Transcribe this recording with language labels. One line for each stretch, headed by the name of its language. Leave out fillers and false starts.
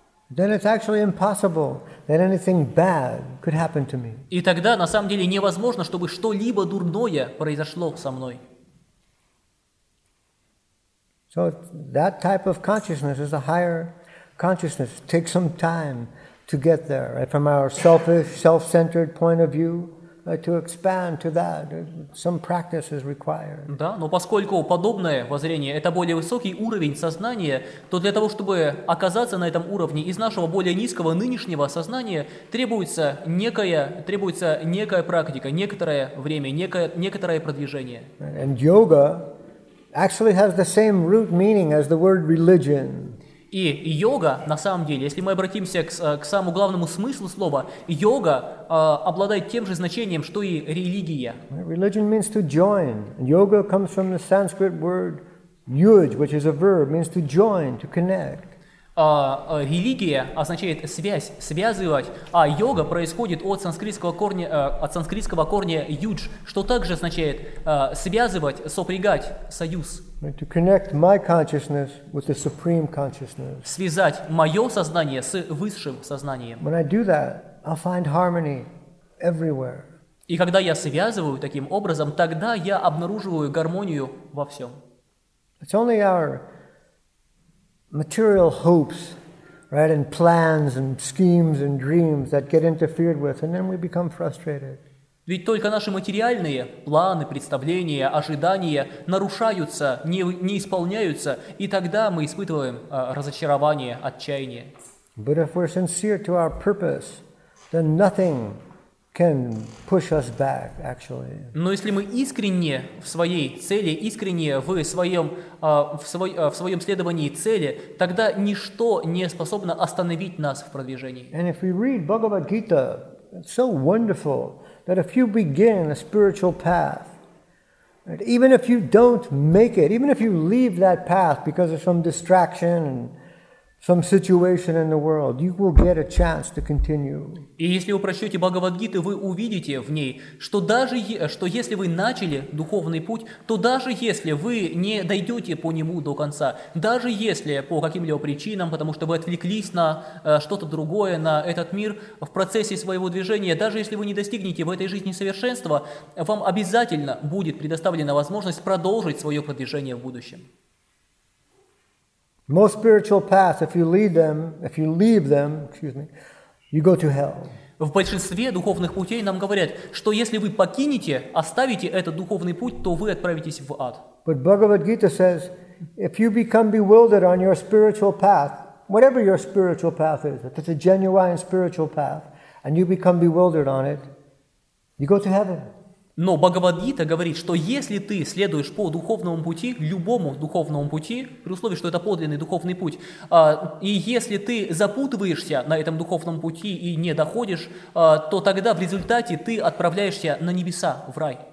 English: Then it's actually impossible that anything bad could happen to me.
Russian: И тогда на самом деле невозможно, чтобы что-либо дурное произошло со мной.
English: So that type of consciousness is a higher consciousness. It takes some time to get there, right? From our selfish, self-centered point of view. To expand to that, some practice is required.
Russian: Да, но поскольку подобное воззрение — это более высокий уровень сознания, то для того, чтобы оказаться на этом уровне из нашего более низкого нынешнего сознания, требуется некая практика, некоторое время, некоторое продвижение.
English: And yoga actually has the same root meaning as the word religion.
Russian: И йога, на самом деле, если мы обратимся к самому главному смыслу слова, йога обладает тем же значением, что и религия.
English: Religion means to join. Yoga comes from the Sanskrit word yuj, which is a verb, means to join, to connect.
Russian: Религия означает связь, связывать, а йога происходит от санскритского корня юдж, что также означает связывать, сопрягать, союз.
English: To connect my consciousness with the supreme consciousness.
Russian: Связать мое сознание с высшим сознанием.
English: When I do that, I'll find harmony everywhere.
Russian: И когда я связываю таким образом, тогда я обнаруживаю гармонию во всем.
English: It's only our material hopes, right, and plans and schemes and dreams that get interfered with, and then we become frustrated.
Russian: Ведь только наши материальные планы, представления, ожидания нарушаются, не исполняются, и тогда мы испытываем разочарование, отчаяние.
English: But if we're sincere to our purpose, then nothing can push us back, actually.
Russian: Но если мы искренне в своей цели, искренне в своем следовании цели, тогда ничто не способно остановить нас в продвижении.
English: And if we read Bhagavad Gita, it's so wonderful that if you begin a spiritual path, even if you don't make it, even if you leave that path because of some distraction and some situation in the world, you will get a chance to continue.
Russian: И если вы прочтете Бхагавад-гиту, вы увидите в ней, что если вы начали духовный путь, то даже если вы не дойдете по нему до конца, даже если по каким-либо причинам, потому что вы отвлеклись на что-то другое, на этот мир в процессе своего движения, даже если вы не достигнете в этой жизни совершенства, вам обязательно будет предоставлена возможность продолжить свое продвижение в будущем.
English: Most spiritual paths, if you leave them, you go to hell.
Russian: В большинстве духовных путей нам говорят, что если вы покинете, оставите этот духовный путь, то вы отправитесь в ад.
English: But Bhagavad Gita says, if you become bewildered on your spiritual path, whatever your spiritual path is, if it's a genuine spiritual path, and you become bewildered on it, you go to heaven.
Russian: Но Бхагавад-гита говорит, что если ты следуешь по духовному пути, любому духовному пути, при условии, что это подлинный духовный путь, и если ты запутываешься на этом духовном пути и не доходишь, то тогда в результате ты отправляешься на небеса, в рай.